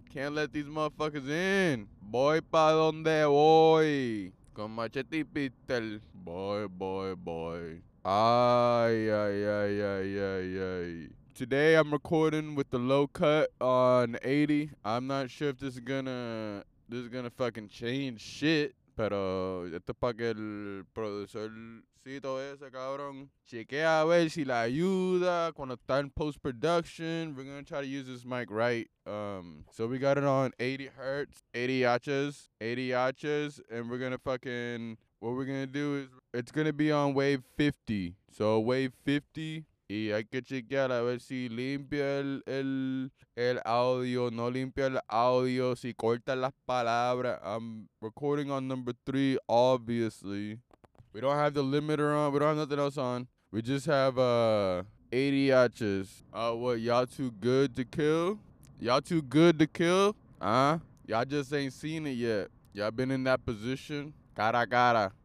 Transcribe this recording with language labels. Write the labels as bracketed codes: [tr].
[en] Can't let these motherfuckers in. [es] Voy pa donde voy. Con machete y [en] pistol. Boy, boy, boy. Ay, ay, ay, ay, ay, ay. Today I'm recording with the low cut on 80. I'm not sure if this is gonna fucking change shit. [es] Pero esto pa que el producercito ese, cabrón. Chequea a ver si la ayuda cuando está en post-production. [en] We're gonna try to use this mic right. So we got it on 80 hertz, 80 yachas, 80 yachas. And we're gonna fucking, what we're gonna do is, it's gonna be on wave 50. So wave 50. [es] Y hay que chequear a ver si limpia el audio, no limpia el audio, si corta las palabras. [en] I'm recording on number 3, obviously. We don't have the limiter on. We don't have nothing else on. We just have 80 yachas. What, y'all too good to kill? Y'all too good to kill? Y'all just ain't seen it yet. Y'all been in that position? [es] Cara a cara.